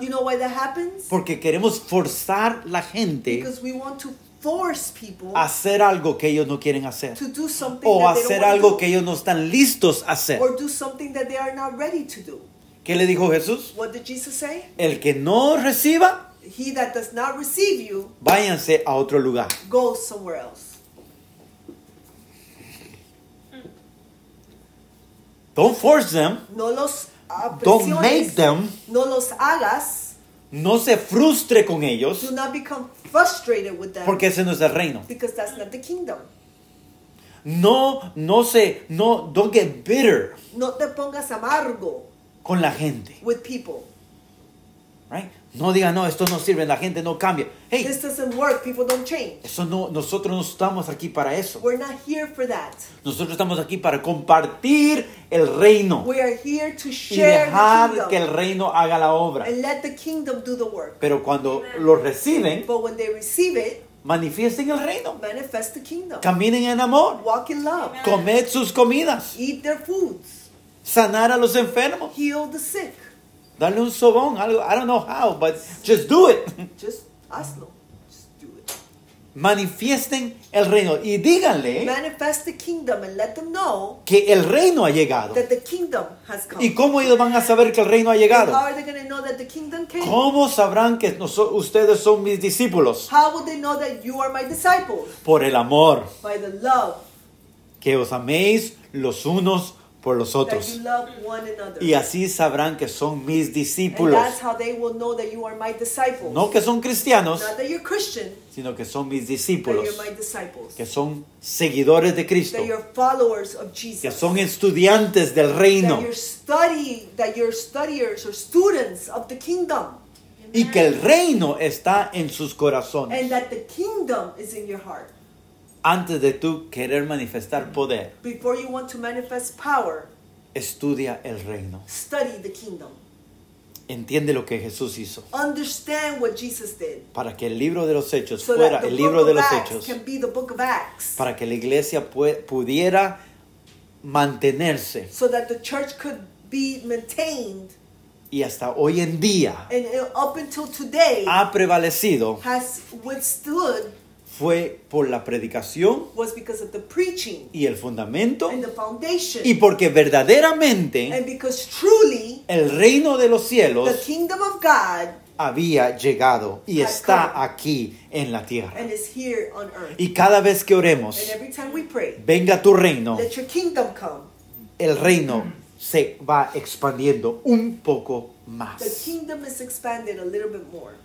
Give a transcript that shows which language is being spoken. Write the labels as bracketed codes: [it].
[en] You know why that happens? [es] Porque queremos forzar la gente. [en] Because we want to force people. [es] A hacer algo que ellos no quieren hacer. [en] To do something [es] o [en] that they don't want to do. [es] O hacer algo que ellos no están listos a hacer. [en] Or do something that they are not ready to do. [es] ¿Qué le dijo Jesús? [en] What did Jesus say? [es] El que no reciba. [en] He that does not receive you. [es] Váyanse a otro lugar. [en] Go somewhere else. Don't force them. [es] No los [en] don't make them. [es] No los hagas. No se frustre con ellos. [en] Do not become frustrated with them. [es] Porque ese no es el reino. [en] Because that's not the kingdom. No, don't get bitter. [es] No te pongas amargo. Con la gente. [en] With people. Right? [es] No diga, no, esto no sirve, la gente no cambia. [en] Hey, this doesn't work, people don't change. [es] Eso no, nosotros no estamos aquí para eso. [en] We're not here for that. [es] Nosotros estamos aquí para compartir el reino. [en] We are here to share [es] y dejar que el reino haga la obra. [en] And let the kingdom do the work. [es] Pero cuando amen. Lo reciben, [en] but when they receive it, [es] manifiesten el reino. [en] Manifest the kingdom. [es] Caminen en amor. [en] Walk in love. [es] Comed sus comidas. [en] Eat their foods. [es] Sanar a los enfermos. [en] Heal the sick. [es] Dale un sobón, algo, [en] I don't know how, but just do it. Just [es] hazlo, [en] just do it. [es] Manifiesten el reino y díganle. [en] Manifest the kingdom and let them know. [es] Que el reino ha llegado. [en] That the kingdom has come. [es] ¿Y cómo ellos van a saber que el reino ha llegado? [en] And how are they going to know that the kingdom came? [es] ¿Cómo sabrán que ustedes son mis discípulos? [en] How would they know that you are my disciples? [es] Por el amor. [en] By the love. [es] Que os améis los unos por los otros. [en] That you love one another. [es] Y así sabrán que son mis discípulos. [en] And that's how they will know that you are my disciples. [es] No que son cristianos. [en] Not that you're Christian. [es] Sino que son mis discípulos. [en] That you're my disciples. [es] Que son seguidores de Cristo. [en] That you're followers of Jesus. [es] Que son estudiantes del reino. [en] That you're studiers or students of the kingdom. Amen. [es] Y que el reino está en sus corazones. [en] And that the kingdom is in your heart. [es] Antes de tú querer manifestar poder, [en] before you want to manifest power, [es] estudia el reino. [en] Study the kingdom. [es] Entiende lo que Jesús hizo. [en] Understand what Jesus did. [es] Para que el libro de los hechos fuera el libro de los hechos. [en] Can be the book of Acts. [es] Para que la iglesia pudiera mantenerse. [en] So that the church could be maintained. [es] Y hasta hoy en día. [en] And up until today. [es] Ha prevalecido. [en] Has withstood. [es] Fue por la predicación [en] was because of the preaching [es] y el fundamento [en] and the foundation. [es] Y porque verdaderamente [en] and because truly, [es] el reino de los cielos [en] the kingdom of God [es] había llegado y está aquí en la tierra. [en] And is here on earth. [es] Y cada vez que oremos, [en] and every time we pray, [es] venga tu reino, [en] let your kingdom come. [es] El reino se va expandiendo un poco más. [en] The kingdom is expanded a little bit more.